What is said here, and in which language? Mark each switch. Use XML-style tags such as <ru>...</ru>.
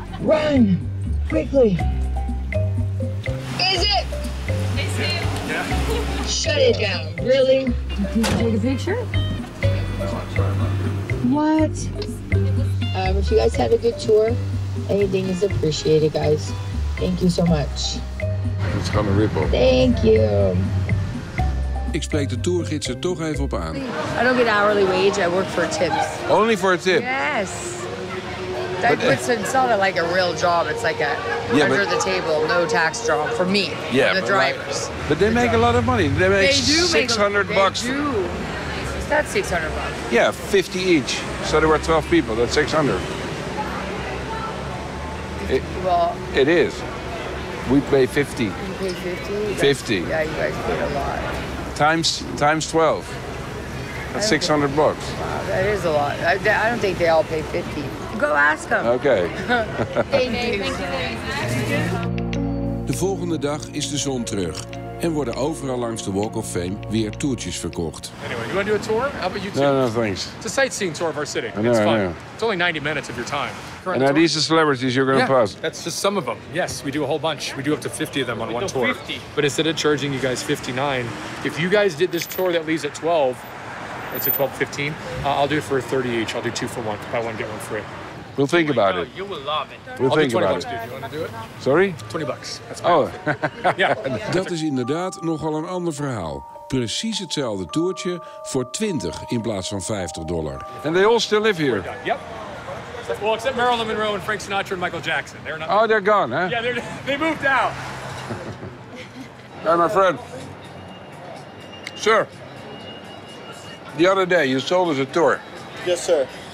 <en>Run! Quickly! Is it? It's him. Yeah. Shut it down. Really? Can you take a picture? What? If you guys had a good tour, anything is appreciated, guys. Thank you so much. It's gonna rip up. Thank you.</en> <nl>Ik spreek de tourgids er toch even op aan.</nl> <en>I don't get hourly wage, I work for tips. Only for a tip? Yes. That puts it, it's not a, like a real job, it's like a yeah, under but, the table, no tax job for me, yeah, for the drivers. Like, but they the make job. A lot of money. They make they do 600 make, bucks. They do. That's $600. Yeah, 50 each. So there were 12 people. That's $600. It is. We pay 50. You pay 50? 50. Yeah, you guys pay a lot. Times 12. That's $600 bucks. Wow, that is a lot. I don't think they all pay 50. Go ask them. Okay. Thank you.</en> <nl>De volgende dag is de zon terug. En worden overal langs de Walk of Fame weer toertjes verkocht.</nl> <en>Anyway, you want to do a tour? How about you two? No, thanks. It's a sightseeing tour of our city. Know, it's fun. It's only 90 minutes of your time. Current and are these the celebrities you're going to pass? That's just some of them. Yes, we do a whole bunch. We do up to 50 of them on one tour. 50. But instead of charging you guys 59, if you guys did this tour that leaves at 12, it's a 12:15. I'll do it for 30 each. I'll do two for one. Buy one, get one free. We'll think about it. You will love it. We'll think about it. Do you want to do it? Sorry? $20. Oh. Yeah.</en> <nl>Dat is inderdaad nogal een ander verhaal. Precies hetzelfde toertje voor 20 in plaats van $50.</nl> <en>And they all still live here. Yep. Well, except Marilyn Monroe and Frank Sinatra and Michael Jackson. They're not. Oh, they're gone, huh? Yeah, they moved out. Hey, my friend. Sir, the other day you sold us a tour. Yes, sir.</en>